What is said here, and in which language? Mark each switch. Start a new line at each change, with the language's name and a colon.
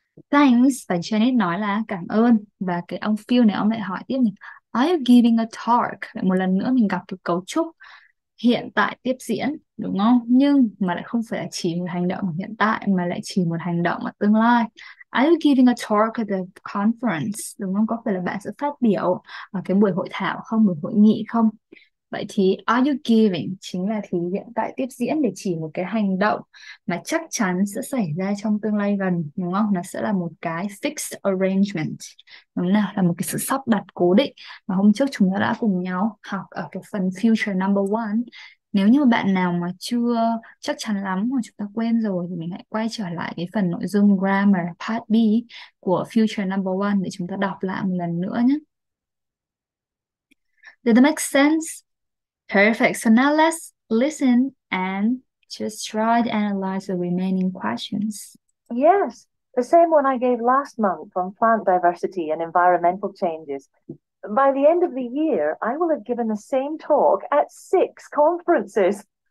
English: Thanks,
Vietnamese: và Janet nói là cảm ơn. Và cái ông Phil này ông lại hỏi tiếp này,
English: are you giving a talk?
Vietnamese: Một lần nữa mình gặp cái cấu trúc hiện tại tiếp diễn, đúng không? Nhưng mà lại không phải là chỉ một hành động hiện tại mà lại chỉ một hành động ở tương lai.
English: Are you giving a talk at the conference?
Vietnamese: Đúng không? Có phải là bạn sẽ phát biểu ở cái buổi hội thảo không, buổi hội nghị không? Vậy thì
English: are you giving
Vietnamese: chính là thì hiện tại tiếp diễn để chỉ một cái hành động mà chắc chắn sẽ xảy ra trong tương lai gần, đúng không? Nó sẽ là một cái
English: fixed arrangement,
Vietnamese: đúng nào? Là một cái sự sắp đặt cố định mà hôm trước chúng ta đã cùng nhau học ở cái phần future number one. Nếu như bạn nào mà chưa chắc chắn lắm mà chúng ta quên rồi thì mình hãy quay trở lại cái phần nội dung grammar part B của future number one để chúng ta đọc lại một lần nữa nhé.
English: Did that make sense? Perfect. So now let's listen and just try to analyze the remaining questions. Yes, the same one I gave last month on plant diversity and environmental changes. By the end of the year, I will have given the same talk at six conferences.